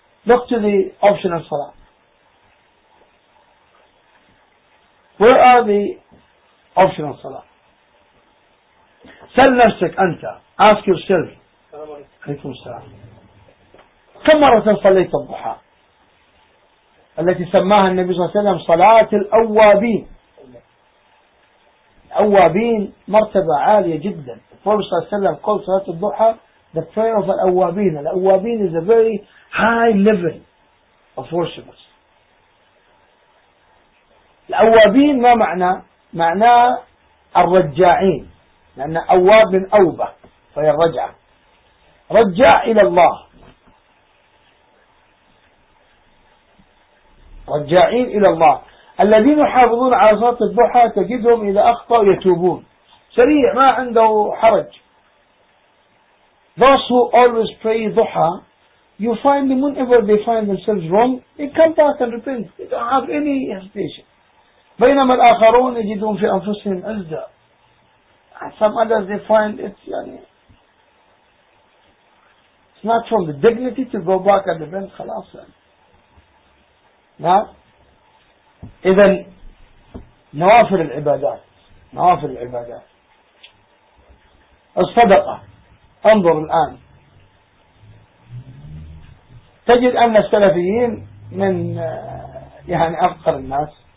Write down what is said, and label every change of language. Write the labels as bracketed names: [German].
[English] Look to the optional صلاة. Where are the optional صلاة? [Arabic] سأل نفسك أنت. [English] Ask yourself. [Arabic] عليكم السلام. كم مرة صليت الضحى التي سماها النبي صلى الله عليه وسلم صلاة الأوابين؟ الأوابين مرتبة عالية جدا. النبي صلى الله عليه وسلم قال صلاة الضحى [English] the prayer of [Arabic] الأوابين. [English] الأوابين is a very high level of worshippers. [Arabic] الأوابين ما معنى؟ معناه الرجاعين، لأن أواب من أوبة فهي الرجعة، رجع إلى الله، رجاعين إلى الله. الذين يحافظون على صلاة الضحى تجدهم إذا أخطأوا يتوبون سريع، ما عنده حرج. [English] Those who always pray duha, you find them whenever they find themselves wrong, they come back and repent. They don't have any hesitation. [Arabic] بينما الآخرون يجدون في أنفسهم عزة. [English] Some others they find it's, يعني, it's not from the dignity to go back and repent. [Arabic] خلاص. إذن نوافل العبادات، نوافل العبادات. الصدقة، انظر الآن تجد أن السلفيين من يعني أفقر الناس.